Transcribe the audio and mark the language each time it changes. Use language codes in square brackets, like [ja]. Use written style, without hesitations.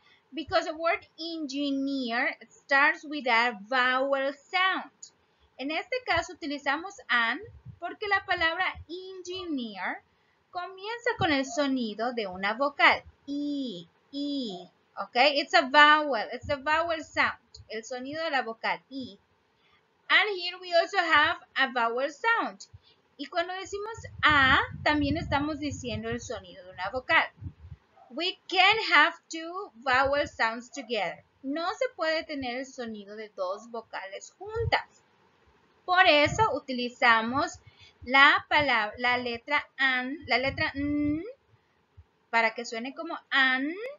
[en] Because the word engineer starts with a vowel sound. [es] En este caso, utilizamos an porque la palabra engineer comienza con el sonido de una vocal. [en] E, E. Ok, it's a vowel. It's a vowel sound. [es] El sonido de la vocal, E. [en] And here we also have a vowel sound. [es] Y cuando decimos A, también estamos diciendo el sonido de una vocal. [en] We can have two vowel sounds together. [es] No se puede tener el sonido de dos vocales juntas. Por eso utilizamos la palabra, la letra an, la letra n, para que suene como an.